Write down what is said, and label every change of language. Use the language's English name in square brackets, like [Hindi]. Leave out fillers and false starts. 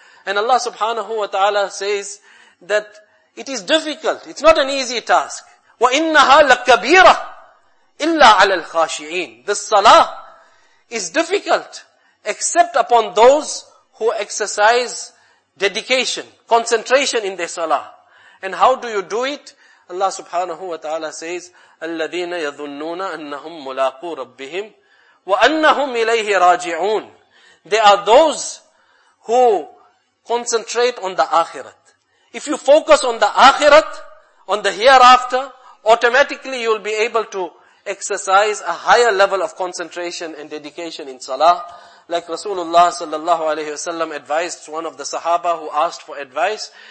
[English] And Allah subhanahu wa ta'ala says that it is difficult. It's not an easy task. [Arabic] وَإِنَّهَا لَكَبِيرَةً إِلَّا عَلَى الْخَاشِعِينَ. [English] This salah is difficult except upon those who exercise dedication, concentration in their salah. And how do you do it? Allah subhanahu wa ta'ala says, [Arabic] الَّذِينَ يَظُنُّونَ أَنَّهُمْ مُلَاقُوا رَبِّهِمْ وَأَنَّهُمْ إِلَيْهِ رَاجِعُونَ. [English] They are those who concentrate on the akhirah. If you focus on the akhirat, on the hereafter, automatically you will be able to exercise a higher level of concentration and dedication in salah. Like Rasulullah sallallahu alayhi wasallam advised one of the sahaba who asked for advice.